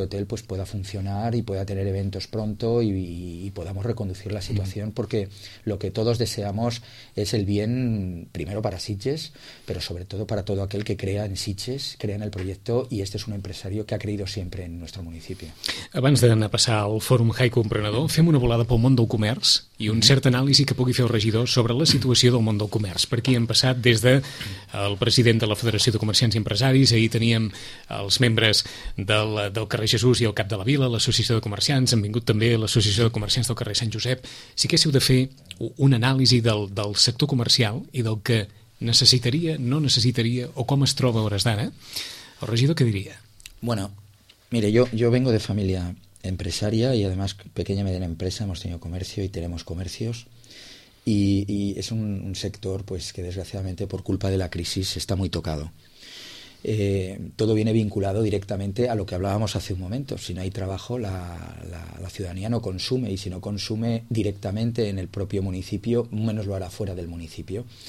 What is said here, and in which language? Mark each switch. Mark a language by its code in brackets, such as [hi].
[es] hotel pues pueda funcionar y pueda tener eventos pronto y podamos reconducir la situación, porque lo que todos deseamos es el bien, primero para Sitges, pero sobre todo para todo aquel que crea en Sitges, crea en el proyecto, y este es un empresario que ha creído siempre en nuestro municipio. [ca] Abans d'anar a passar al Fòrum Haiku Emprenedor, fem una volada pel món del comerç i un cert anàlisi que pugui fer el regidor sobre la situació del món del comerç. Per aquí hem passat des del president de la Federació de Comerciants i Empresaris, ahir teníem els membres del carrer Jesús i el cap de la vila, l'Associació de Comerciants, han vingut també l'Associació de Comerciants del carrer Sant Josep. Si haguéssiu de fer una anàlisi del sector comercial i del que necessitaria, no necessitaria, o com es troba a hores d'ara, el regidor què diria? [es] Bueno, mire, yo vengo de familia empresaria y además pequeña y mediana empresa, hemos tenido comercio y tenemos comercios. Y es un sector pues que desgraciadamente por culpa de la crisis está muy tocado. Todo viene vinculado directamente a lo que hablábamos hace un momento. Si no hay trabajo, la ciudadanía no consume, y si no consume directamente en el propio municipio, menos lo hará fuera del municipio.